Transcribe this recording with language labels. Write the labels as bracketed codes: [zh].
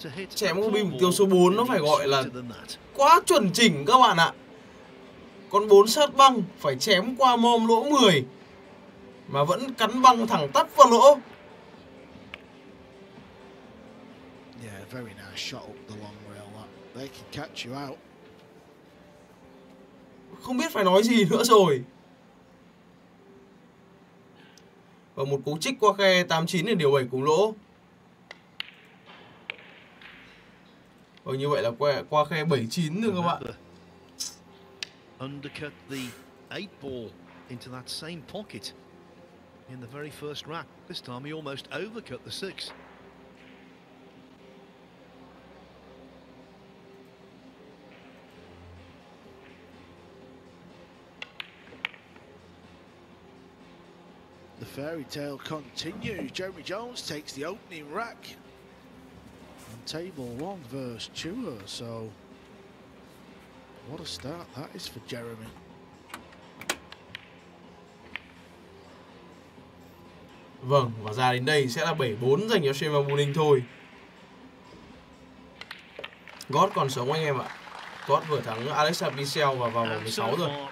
[vi] Chém con bim mục tiêu số 4 nó phải gọi là quá chuẩn chỉnh các bạn ạ. Con 4 sát băng phải chém qua mồm lỗ 10 mà vẫn cắn băng thẳng tắp vào lỗ. [en] Yeah, very nice shot up the long rail. They can catch you out. [vi] Không biết phải nói gì nữa rồi. Và một cú chích qua khe 89 để điều 7 cùng lỗ. Ừ, như vậy là qua khe 79 rồi các bạn. [en] Undercut the 8 ball into that same pocket in the very first rack. This time he almost overcut the 6. The fairy tale continues. Jeremy Jones takes the opening rack. Table one versus Tua, so what a start that is for Jeremy. [vi] Vâng, và ra đến đây sẽ là 7-4 dành cho Shane Van Boning thôi. God còn sống anh em ạ. God vừa thắng Alex Abissell và vào vòng 16 rồi.